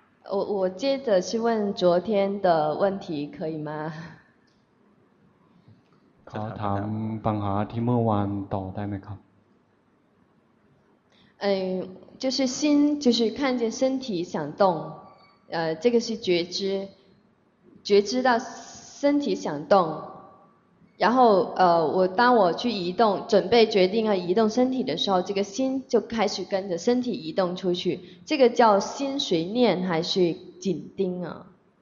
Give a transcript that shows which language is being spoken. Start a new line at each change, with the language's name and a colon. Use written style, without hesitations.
Chinese: 我接着去问昨天的问题可以吗
Thai: ขอถามปัญหาที่เมื่อวานต่อได้ไหมครับ
Chinese: 就是心就是看见身体想动这个是觉知到身体想动然后我当我去移动准备决定要移动身体的时候，这个心就开始跟着身体移动出去，这个叫心随念还是紧盯啊？